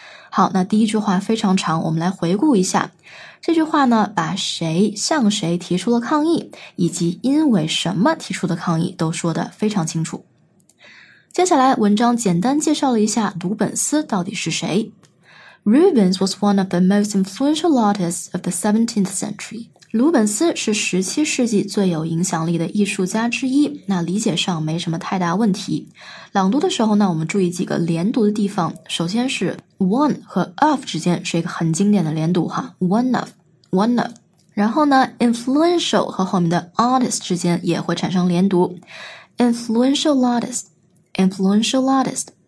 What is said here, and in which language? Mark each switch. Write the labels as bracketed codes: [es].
[zh] 好，那第一句话非常长，我们来回顾一下。这句话呢，把谁向谁提出了抗议，以及因为什么提出的抗议都说得非常清楚。接下来文章简单介绍了一下鲁本斯到底是谁。 [en] Rubens was one of the most influential artists of the 17th century. [zh] 鲁本斯是17世纪最有影响力的艺术家之一，那理解上没什么太大问题。朗读的时候呢，我们注意几个连读的地方，首先是 one 和 of 之间是一个很经典的连读哈， [en] one of。 [zh] 然后呢， influential 和后面的 artist 之间也会产生连读， [en] influential artist。